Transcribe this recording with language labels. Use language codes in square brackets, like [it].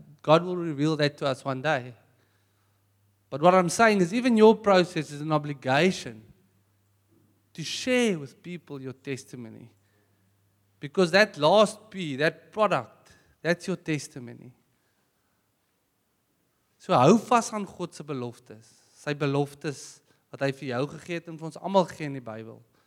[en] God will reveal that to us one day. But what I'm saying is even your process is an obligation to share with people your testimony. Because that last P, that product, that's your testimony. [af] So hou vas aan God se beloftes. Sy beloftes wat hy vir jou gegee het en vir ons almal gee in die Bybel.